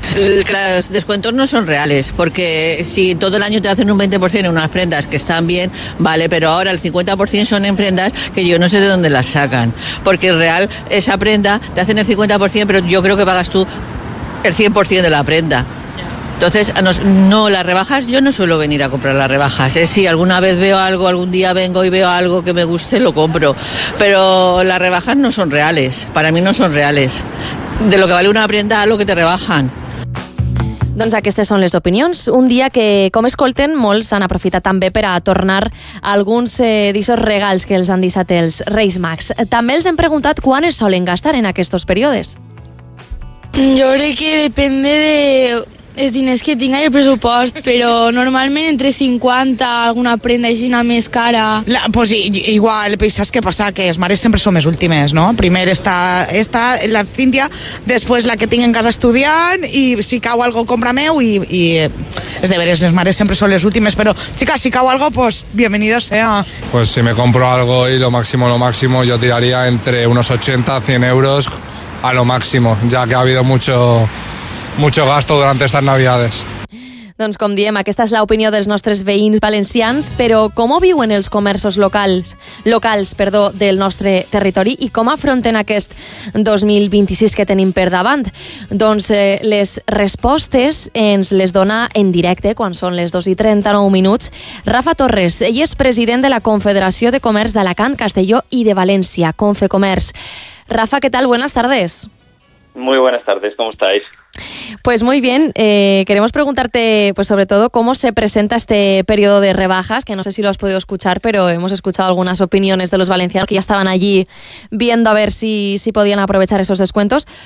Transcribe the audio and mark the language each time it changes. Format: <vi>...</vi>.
<es>Los descuentos no son reales, porque si todo el año te hacen un 20% en unas prendas que están bien, vale, pero ahora el 50% son en prendas que yo no sé de dónde las sacan, porque en real esa prenda te hacen el 50%, pero yo creo que pagas tú el 100% de la prenda. Entonces, no, las rebajas, yo no suelo venir a comprar las rebajas, ¿eh? Si alguna vez veo algo, algún día vengo y veo algo que me guste, lo compro. Pero las rebajas no son reales, para mí no son reales. De lo que vale una prenda a lo que te rebajan.</es> <ca>Doncs aquestes són les opinions. Un dia que, com escolten, molts han aprofitat també per a tornar alguns d'aquests regals que els han deixat els Reis Mags. També els hem preguntat quan es solen gastar en aquests períodes. Jo crec que depèn de els diners que tinc el pressupost, però normalment entre 50 alguna prenda així una més cara. Pues igual, saps què passa? Que les mares sempre són les últimes, no? Primer està esta, la Cíntia, després la que tinc en casa estudiant i si cau algo compra meu i és de veres, les mares sempre són les últimes, però xica, si cau algo,</ca> <es>pues bienvenido sea. Pues si me compro algo y lo máximo yo tiraría entre unos 80-100 euros a lo máximo, ya que ha habido mucho gasto durante estas navidades.</es> <ca>Doncs com diem, aquesta és l'opinió dels nostres veïns valencians, però com ho viuen els comerços locals, del nostre territori i com afronten aquest 2026 que tenim per davant? Doncs les respostes ens les dona en directe, quan són les 2:39 minuts, Rafa Torres. Ell és president de la Confederació de Comerç d'Alacant, Castelló i de València, Confecomerç. Rafa, què tal?</ca> <es>Buenas tardes. Muy buenas tardes, ¿cómo estáis? Pues muy bien, queremos preguntarte pues sobre todo cómo se presenta este periodo de rebajas, que no sé si lo has podido escuchar, pero hemos escuchado algunas opiniones de los valencianos que ya estaban allí viendo a ver si podían aprovechar esos descuentos.</es>